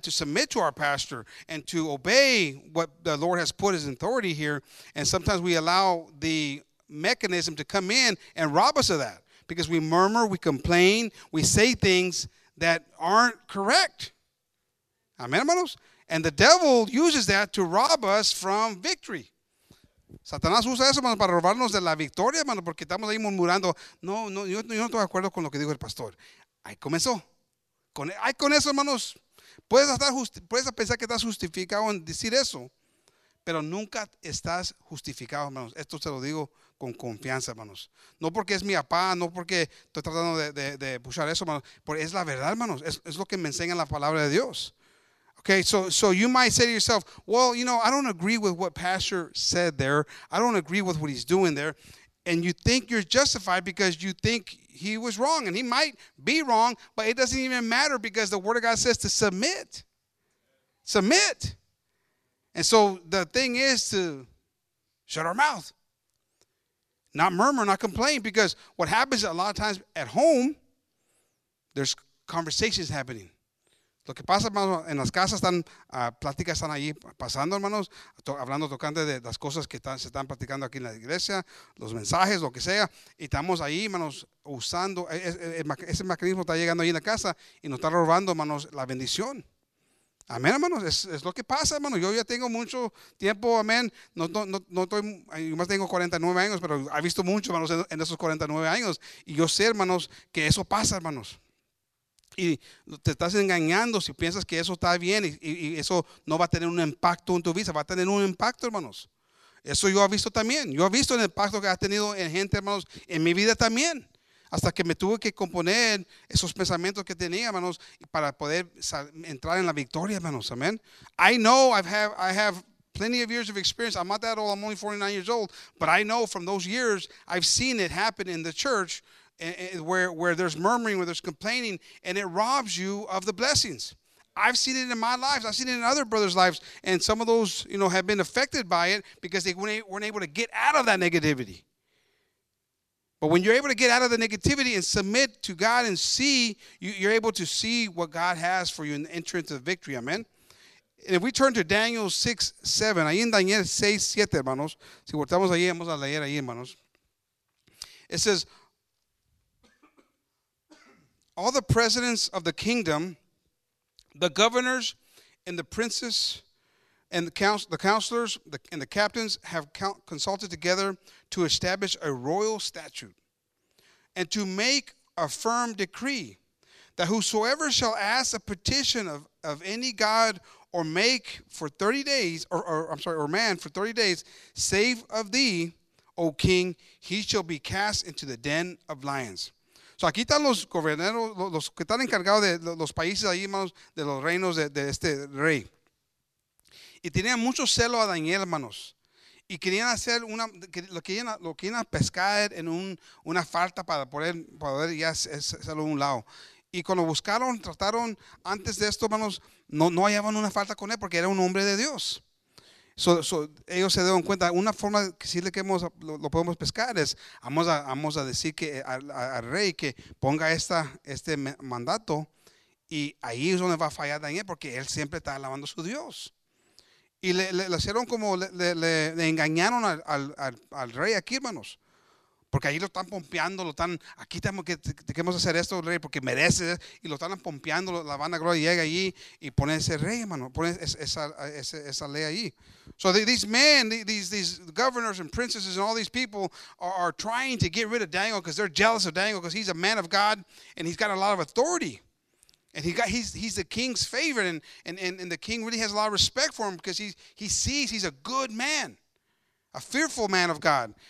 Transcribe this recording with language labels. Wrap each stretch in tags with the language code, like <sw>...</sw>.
<en>To submit to our pastor and to obey what the Lord has put as authority here. And sometimes we allow the mechanism to come in and rob us of that because we murmur, we complain, we say things that aren't correct. Amen, hermanos. And the devil uses that to rob us from victory.</en> <es>Satanás usa eso, hermanos, para robarnos de la victoria, hermanos, porque estamos ahí murmurando. No, no, yo no estoy de acuerdo con lo que dijo el pastor. Ahí comenzó. Ahí con eso, hermanos. Puedes pensar que estás justificado en decir eso, pero nunca estás justificado, hermanos. Esto te lo digo con confianza, hermanos. No porque es mi papá, no porque estoy tratando de pushar eso, hermanos. Porque es la verdad, hermanos. Es lo que me enseña la palabra de Dios.</es> <en>Okay, so you might say to yourself, well, you know, I don't agree with what pastor said there. I don't agree with what he's doing there. And you think you're justified because you think he was wrong. And he might be wrong, but it doesn't even matter because the word of God says to submit. Submit. And so the thing is to shut our mouth. Not murmur, not complain, because what happens a lot of times at home, there's conversations happening.</en> <es>Lo que pasa, hermanos, en las casas están, pláticas están ahí pasando, hermanos, hablando tocante de las cosas que se están platicando aquí en la iglesia, los mensajes, lo que sea, y estamos ahí, hermanos, usando, ese mecanismo está llegando ahí en la casa y nos está robando, hermanos, la bendición. Amén, hermanos, es lo que pasa, hermanos. Yo ya tengo mucho tiempo, amén. Yo más tengo 49 años, pero he visto mucho, hermanos, en esos 49 años. Y yo sé, hermanos, que eso pasa, hermanos. Y te estás engañando si piensas que eso está bien y eso no va a tener un impacto en tu vida. Va a tener un impacto, hermanos. Eso yo he visto también. Yo he visto el impacto que ha tenido en gente, hermanos, en mi vida también. Hasta que me tuve que componer esos pensamientos que tenía, hermanos, para poder entrar en la victoria, hermanos. Amén.</es> <en>I know I have plenty of years of experience. I'm not that old. I'm only 49 years old. But I know from those years, I've seen it happen in the church where there's murmuring, where there's complaining, and it robs you of the blessings. I've seen it in my lives. I've seen it in other brothers' lives. And some of those, you know, have been affected by it because they weren't able to get out of that negativity. But when you're able to get out of the negativity and submit to God and see, you're able to see what God has for you in the entrance of victory. Amen. And if we turn to Daniel 6:7,</en> <es>ahí en Daniel 6:7, hermanos. Si voltamos ahí, vamos a leer ahí, hermanos.</es> <en>It says, all the presidents of the kingdom, the governors and the princes and the counselors and the captains have consulted together to establish a royal statute and to make a firm decree that whosoever shall ask a petition of any god or make for 30 days, or man for 30 days, save of thee, O king, he shall be cast into the den of lions.</en> <es>So aquí están los gobernadores, los que están encargados de los países ahí, hermanos, de los reinos de este rey. Y tenían mucho celo a Daniel, hermanos. Y querían hacer una, lo querían pescar en una falta para poder ya hacerlo a un lado. Y cuando buscaron, trataron antes de esto, hermanos, no hallaban una falta con él porque era un hombre de Dios. So ellos se dieron cuenta, una forma que sí lo podemos pescar es, vamos a decir que al rey que ponga este mandato, y ahí es donde va a fallar Daniel, porque él siempre está alabando a su Dios. Y le hicieron como, le engañaron al rey aquí, hermanos, porque ahí lo están pompeando, aquí tenemos que tenemos hacer esto, rey, porque merece, y lo están pompeando, la vanagloria llega allí y pone ese rey, hermano, pone esa ley allí.</es> <en>So these men, these governors and princesses and all these people are trying to get rid of Daniel because they're jealous of Daniel because he's a man of God and he's got a lot of authority. And he's the king's favorite and the king really has a lot of respect for him because he's a good man, a fearful man of God.</en>